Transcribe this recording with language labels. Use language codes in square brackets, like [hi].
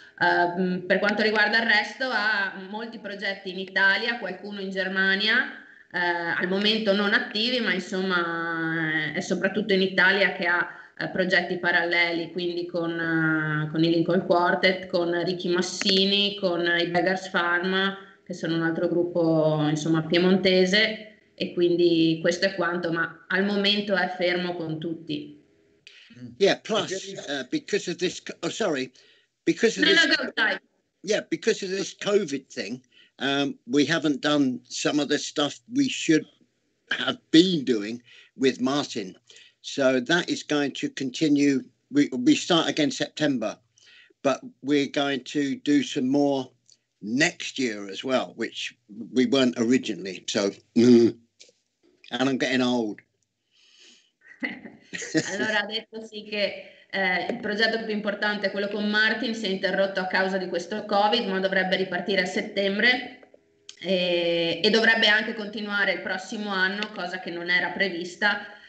[it] Per quanto riguarda il resto ha molti progetti in Italia, qualcuno in Germania, al momento non attivi, ma insomma è soprattutto in Italia che ha progetti paralleli, quindi con il Lincoln Quartet, con Ricky Massini, con i Beggars Farm, che sono un altro gruppo insomma piemontese, e quindi questo è quanto, ma al momento è fermo con tutti. [en] Yeah, plus because of this because of this COVID thing, we haven't done some of the stuff we should have been doing with Martin. So that is going to continue. We start again September, but we're going to do some more next year as well, which we weren't originally. So, and I'm getting old. [it] Allora ha detto sì che il progetto più importante, quello con Martin, si è interrotto a causa di questo COVID, ma dovrebbe ripartire a settembre e dovrebbe anche continuare il prossimo anno, cosa che non era prevista.